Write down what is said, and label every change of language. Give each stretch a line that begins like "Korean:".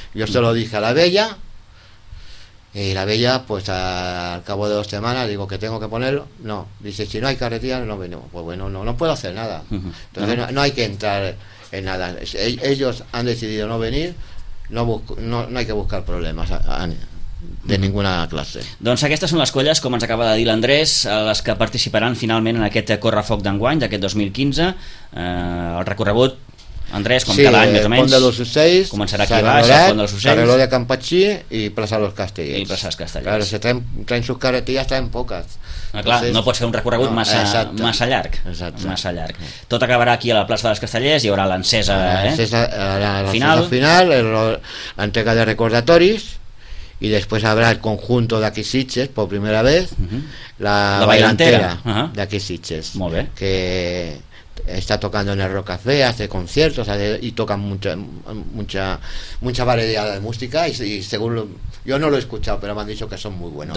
Spanish: Yo se lo dije a la Bella, y la Bella, pues al cabo de 2 semanas, digo que tengo que ponerlo. No, dice, si no hay carretilla, no venimos. Pues bueno, no puedo hacer nada. Entonces, uh-huh. No hay que entrar en nada. Ellos han decidido no venir, no hay que buscar problemas. De ninguna classe.
Catalan: Doncs aquestes són les colles, com ens acaba de dir l'Andrés, les que participaran finalment en aquest correfoc d'enguany, d'aquest 2015. El recorregut, Andrés, com sí, cada any més o menys. Pont de los Ocells, començarà aquí baix, el Pont de los Ocells, Sarreló de Campatxí i Plaça dels Castellers. I Plaça dels Castellers.
Spanish: Clar, si traen sus carretillas, traen poques.
Catalan: Ah, clar, entonces, no pots fer un recorregut massa llarg. Exacte. Massa llarg. Tot acabarà aquí a la Plaça dels Castellers, hi haurà l'encesa final, l'entrega de recordatoris,
Spanish: y después habrá el conjunto de aquí Sitges por primera vez, uh-huh. la bailantera de aquí Sitges, que está tocando en el Rock Café, hace conciertos, y toca mucha variedad de música, y según yo no lo he escuchado, pero me han dicho que son muy buenos.